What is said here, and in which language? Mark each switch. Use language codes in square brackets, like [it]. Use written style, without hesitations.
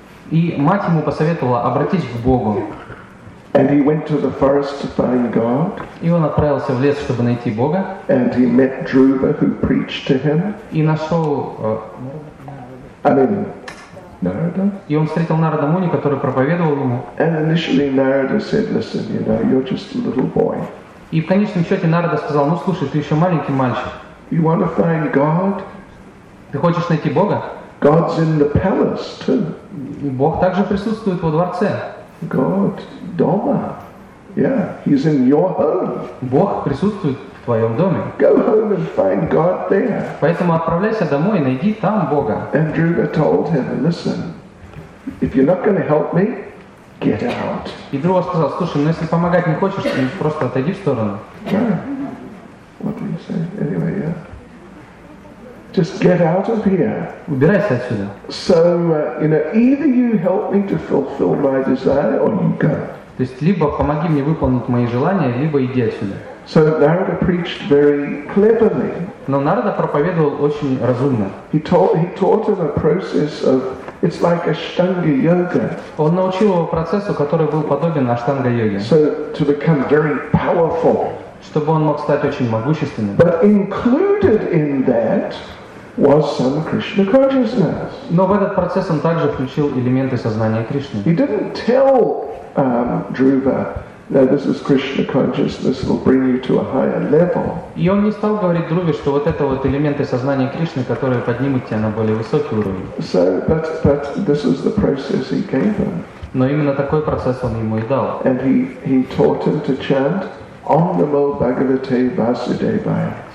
[ru] И мать ему посоветовала обратись к Богу. [en] And he went to the forest to find God. [ru] И он отправился в лес, чтобы найти Бога. [en] And he met Dhruva, who preached to him. [ru] И нашел. [en] Narada. [ru] И он встретил Нарада Муни, который проповедовал ему. [en] And initially Narada said, "Listen, you know, you're just a little boy." [ru] И в конечном счете Нарада сказал: "Ну, слушай, ты еще маленький мальчик." [en] You want to find God? [ru] Ты хочешь найти Бога? [en] God's in the palace too. [ru] И Бог также присутствует во дворце. [en] God [ru] дома. [en] Yeah, he's in your home. [ru] Бог присутствует в твоем доме. [en] Go home and find God there. [ru] Поэтому отправляйся домой и найди там Бога. [en] And Dhruva told him, listen, if you're not going to help me, get out. [ru] И Дхрува сказал, слушай, ну если помогать не хочешь, то просто отойди в сторону. [en] Yeah. What do you say? Anyway, yeah. Just get out of here. [ru] Убирайся отсюда. [en] So, you know, either you help me to fulfill my desire, or you go. [ru] То есть либо помоги мне выполнить мои желания, либо иди отсюда. [en] So Narada preached very cleverly. [ru] Но Нарада проповедовал очень разумно. [en] He taught him a process of, it's like Ashtanga yoga. [ru] Он научил его процессу, который был подобен Ashtanga yoga. [en] So to become very powerful. [ru] Чтобы он мог стать очень могущественным. [en] But included in that was some Krishna consciousness. [ru] Но в этот процесс он также включил элементы сознания Кришны. [en] He didn't tell Dhruva, "No, this is Krishna consciousness. It'll bring you to a higher level." [ru] И он не стал говорить Дхруве, что вот это вот элементы сознания Кришны, которые поднимут тебя на более высокий уровень. [en] So, but this is the process he gave him. [ru] Но именно такой процесс он ему и дал. [en] And he taught him to chant Om Namo Bhagavate Vasudevaya.